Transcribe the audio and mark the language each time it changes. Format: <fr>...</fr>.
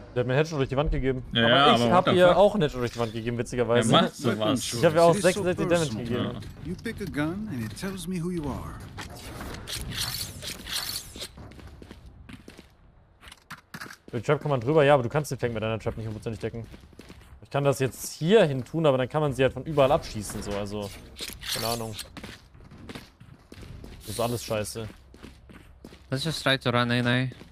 <de>Der hat mir einen Headshot durch die Wand gegeben. Ja, aber ich hab ihr auch einen Headshot durch die Wand gegeben, witzigerweise. Wer macht sowas? Ich hab ihr auch 66 Damage gegeben.</de> <en>You pick a gun and it tells me who you are.</en> <de>Für die Trap kann man drüber, ja, aber du kannst den Flank mit deiner Trap nicht hundertprozentig decken. Ich kann das jetzt hier hin tun, aber dann kann man sie halt von überall abschießen, so, also. Keine Ahnung. Das ist alles scheiße.</de> <en>Let's just try to run in, eh?</en>